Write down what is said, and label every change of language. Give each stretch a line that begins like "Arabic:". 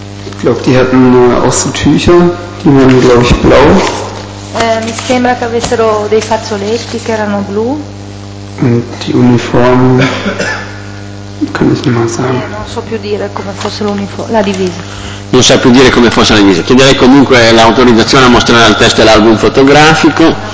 German: Ich glaube, die hatten auch so Tücher, die waren, glaube ich, blau.
Italian: Mi sembra che avessero dei fazzoletti che erano blu.
German: Und die Uniform, kann ich nicht mal sagen.
Italian: Non so più dire come fosse la divisa. Non sa più dire come fosse la divisa. Chiederei comunque l'autorizzazione a mostrare al test l'album fotografico.